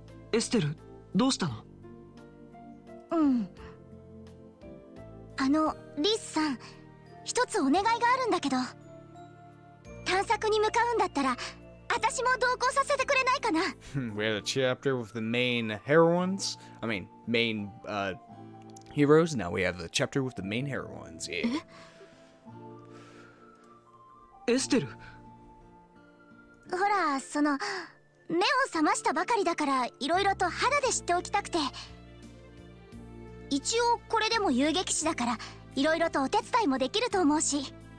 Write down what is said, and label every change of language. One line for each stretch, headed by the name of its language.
Japanese: エステル、どうしたの。あのリスさん、一つお願いがあるんだけど。探索に向かうんだったら私も同行させてくれないかな。
English: We had a chapter with the main heroines. I mean, main, heroes. Now we have a chapter with the main heroines. Yeah.
Japanese: え？エステル。ほら、その、目を覚ましたばかりだから、いろいろと肌で知っておきたくて。一応、これでも遊撃士だから、いろいろとお手伝いもできると思うし。